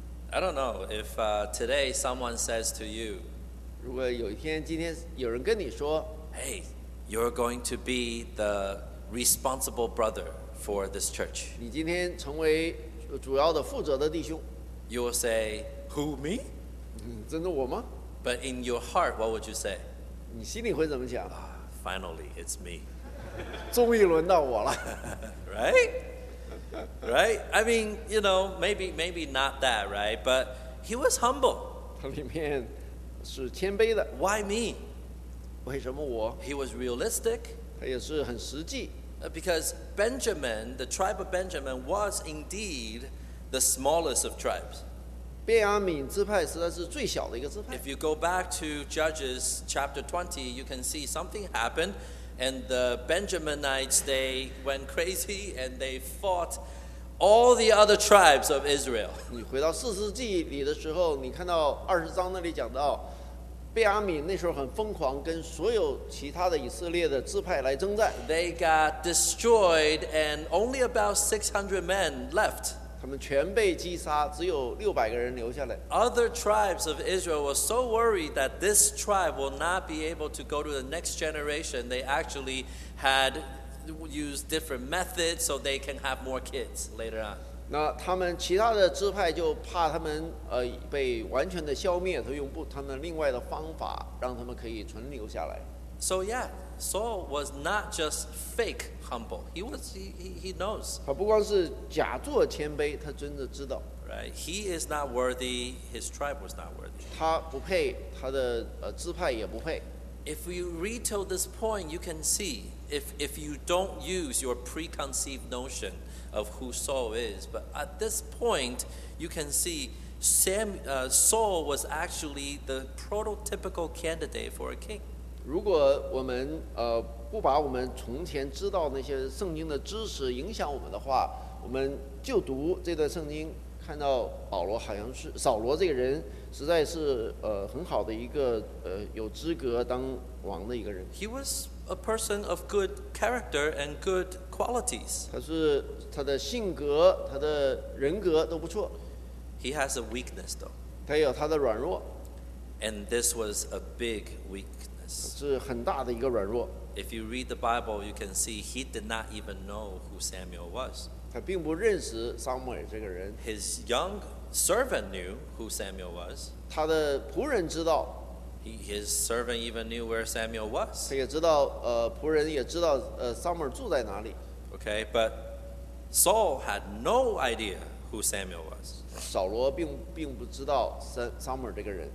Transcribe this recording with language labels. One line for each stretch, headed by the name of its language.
English: I don't know if today someone says to you.
Chinese: 如果有一天，今天有人跟你说
English: ，Hey, you're going to be the responsible brother for this church.
Chinese: 你今天成为主要的负责的弟兄。
English: You will say, Who me?
Chinese: 真的我吗？
English: But in your heart, what would you say?
Chinese: 你心里会怎么想？
English: Finally, it's me.
Chinese: 终于轮到我了。
English: Right? Right? I mean, you know, maybe not that, right? But he was humble.
Chinese: 他里面是谦卑的。
English: Why me?
Chinese: 为什么我？
English: He was realistic.
Chinese: 他也是很实际。
English: Because Benjamin, the tribe of Benjamin, was indeed the smallest of tribes.
Chinese: 便雅悯支派实在是最小的一个支派。
English: If you go back to Judges chapter 20, you can see something happened, and the Benjaminites, they went crazy, and they fought all the other tribes of Israel.
Chinese: 你回到四世纪里的时候，你看到二十章那里讲到，便雅悯那时候很疯狂，跟所有其他的以色列的支派来征战。
English: They got destroyed, and only about 600 men left.
Chinese: 他们全被击杀，只有六百个人留下来。
English: Other tribes of Israel were so worried that this tribe will not be able to go to the next generation. They actually had used different methods so they can have more kids later on.
Chinese: 那他们其他的支派就怕他们被完全的消灭，所以用他们另外的方法让他们可以存留下来。
English: So yeah, Saul was not just fake. Humble. He knows.
Chinese: 他不光是假作谦卑，他真的知道。
English: Right. He is not worthy. His tribe was not worthy.
Chinese: 他不配，他的支派也不配。
English: If you read till this point, you can see if you don't use your preconceived notion of who Saul is. But at this point, you can see Saul was actually the prototypical candidate for a king.
Chinese: 如果我们不把我们从前知道那些圣经的知识影响我们的话，我们就读这段圣经，看到保罗好像是扫罗这个人，实在是很好的一个有资格当王的一个人。
English: He was a person of good character and good qualities.
Chinese: 他的性格、他的人格都不错。
English: He has a weakness, though.
Chinese: 他有他的软弱。
English: And this was a big weakness.
Chinese: 是很大的一个软弱。
English: If you read the Bible, you can see he did not even know who Samuel was.
Chinese: 他并不认识撒母耳这个人。
English: His young servant knew who Samuel was.
Chinese: 他的仆人知道。
English: His servant even knew where Samuel was.
Chinese: 他也知道，仆人也知道，撒母耳住在哪里。
English: Okay, but Saul had no idea who Samuel was.
Chinese: 扫罗并不知道撒母耳这个人。